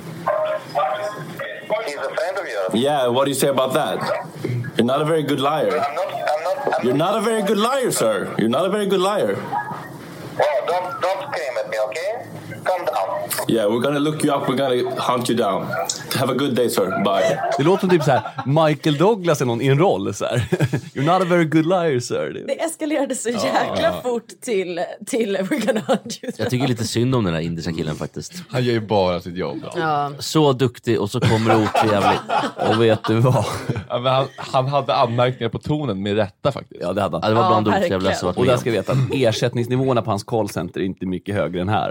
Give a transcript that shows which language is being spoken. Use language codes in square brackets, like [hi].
[en] He's a friend of yours. Yeah, what do you say about that? You're not a very good liar. I'm not. You're not a very good liar, sir. You're not a very good liar. Well, don't scream at me, okay? Calm down. Yeah, we're gonna look you up, we're gonna hunt you down. Have a good day, sir. Bye. [sv] Det låter typ så här, Michael Douglas är någon i en roll så här. [en] You're not a very good liar, sir. [sv] Det eskalerade så jäkla fort till [en] we're gonna hunt you down. [sv] Jag tycker lite synd om den där indiska killen faktiskt. Han gör ju bara sitt jobb. Så duktig och så kommer det otrevligt. Och vet du vad? Ja, men han hade anmärkningar på tonen med rätta faktiskt. Ja, det hade han. Ja, det var bland de otrevliga som var med. Och där ska vi veta att ersättningsnivåerna på hans callcenter är inte mycket högre än här.